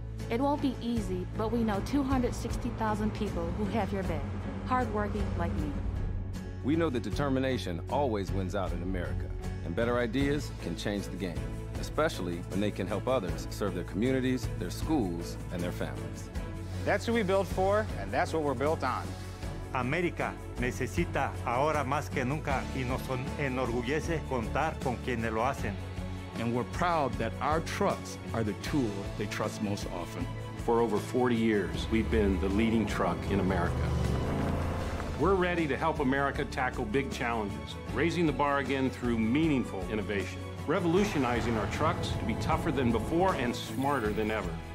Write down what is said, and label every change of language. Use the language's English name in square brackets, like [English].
[English] It won't be easy, but we know 260,000 people who have your back, hardworking like me. We know that determination always wins out in America, and better ideas can change the game, especially when they can help others serve their communities, their schools, and their families. That's who we built for, and that's what we're built on. [Spanish] America necesita ahora más que nunca y nos enorgullece contar con quienes lo hacen. [English] And we're proud that our trucks are the tool they trust most often. For over 40 years, we've been the leading truck in America. We're ready to help America tackle big challenges, raising the bar again through meaningful innovation, revolutionizing our trucks to be tougher than before and smarter than ever.